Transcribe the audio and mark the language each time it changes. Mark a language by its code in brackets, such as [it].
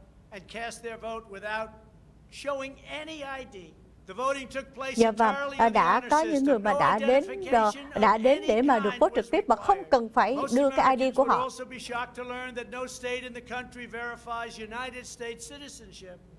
[en] And cast their vote without showing any ID. The voting took place entirely in the honor system. [vi] Đã có những người mà đã đến để mà được vote trực tiếp mà không cần phải đưa cái ID của họ. [en] Most Americans would also be shocked to learn that no state in the country verifies United States citizenship.